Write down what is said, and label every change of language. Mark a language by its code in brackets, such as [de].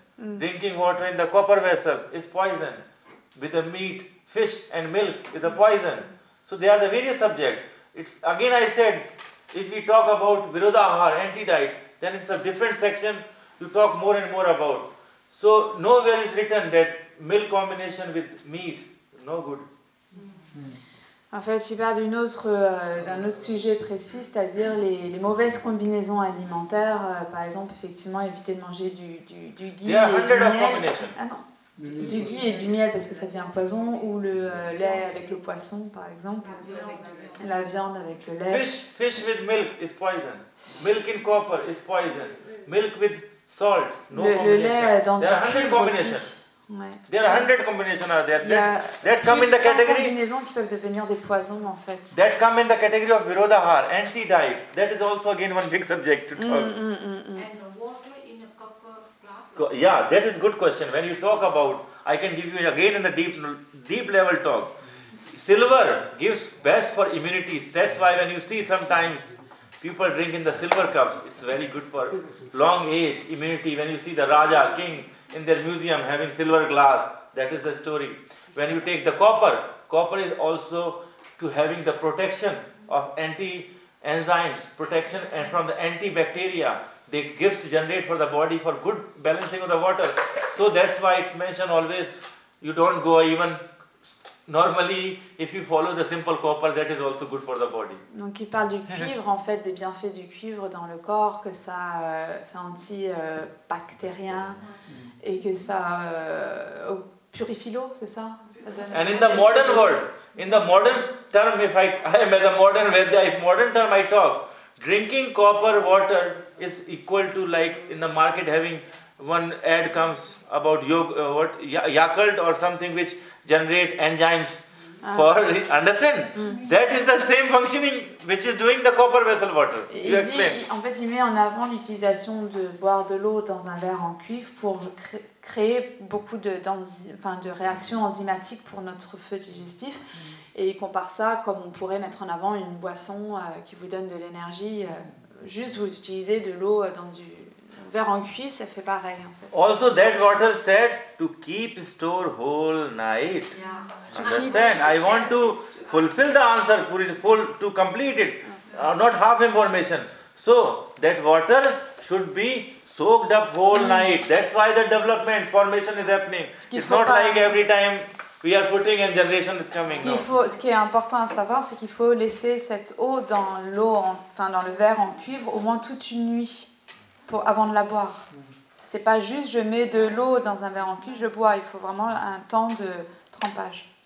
[en] Drinking water in the copper vessel is poison. With the meat, fish and milk is a poison. So they are the various subject. It's again I said, if we talk about virodaha, anti-diet, then it's a different section. You talk more and more about. So nowhere is written that milk combination with meat, no good. [fr] En fait, il parle d'un autre sujet précis, c'est-à-dire les mauvaises combinaisons alimentaires. Par exemple, effectivement, éviter de manger du ghee et du miel. Du ghee et du miel parce que ça devient poison. Ou le lait avec le poisson, par exemple. La viande avec le lait. [en] Fish with milk is poison. Milk in copper is poison. Milk with salt, no combination. [fr] Le lait dans du cuivre aussi. Ouais. [en] There are 100 combinations are there. That come in the category. [fr] Il y a 100 combinaisons qui peuvent devenir des poisons en fait. [en] That come in the category of virodahar, anti diet. That is also again one big subject to talk. And water in a cup of glass. Yeah, that is good question. When you talk about, I can give you again in the deep level talk. Silver gives best for immunity. That's why when you see sometimes people drink in the silver cups, it's very good for long age immunity. When you see the Raja King in their museum having silver glass, that is the story. When you take the copper is also to having the protection of anti enzymes, protection and from the antibacteria they gives to generate for the body for good balancing of the water. So that's why it's mentioned always, you don't go even normally if you follow the simple copper, that is also good for the body. [fr] Donc il parle du cuivre en fait, des bienfaits du cuivre dans le corps, que ça c'est antibactérien et que ça purifie l'eau, c'est ça, ça donne. [en] And in the modern world, in the modern term, if I am as a modern Vedya, if modern term I talk, drinking copper water is equal to like in the market having one ad comes about Yakult or something which generate enzymes for understand. That is the same functioning which is doing the copper vessel water. You explain. [fr] En fait, il met en avant l'utilisation de boire de l'eau dans un verre en cuivre pour créer beaucoup de réactions enzymatiques pour notre feu digestif. Et il compare ça comme on pourrait mettre en avant une boisson qui vous donne de l'énergie. Juste vous utilisez de l'eau dans du verre en cuivre, ça fait pareil en fait. [en] Also that water said to keep store whole night. Yeah. Understand? I want to fulfill the answer, to complete it, not half information. So that water should be soaked up whole night. That's why the development formation is happening. It's not like every time we are putting and generation is coming. [fr] Ce qui est important à savoir, c'est qu'il faut laisser cette eau dans l'eau, dans le verre en cuivre, au moins toute une nuit. Avant de la boire. C'est pas juste je mets de l'eau dans un verre en cuivre, je bois, il faut vraiment un temps de trempage.